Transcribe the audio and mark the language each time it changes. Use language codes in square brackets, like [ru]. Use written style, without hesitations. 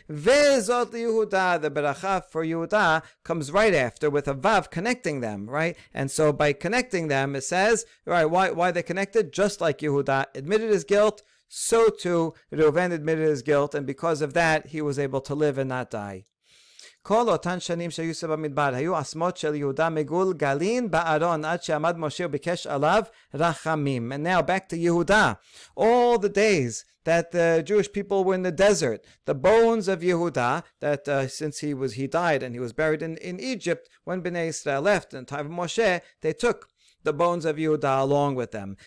[en] Vezot Yehuda, the Beracha for Yehuda comes right after with a Vav connecting them, right? And so by connecting them, it says, right, why they connected? Just like Yehuda admitted his guilt, so too Reuben admitted his guilt, and because of that, he was able to live and not die. [he] כל אותן שנים שהיו יוסף במדבר, היו עצמות של יהודה מגול גלין בארון עד שעמד משה וביקש עליו רחמים. [en] And now back to Yehuda. All the days that the Jewish people were in the desert, the bones of Yehuda, that since he died and he was buried in Egypt, when Bnei Israel left in the time of Moshe, they took the bones of Yehuda along with them.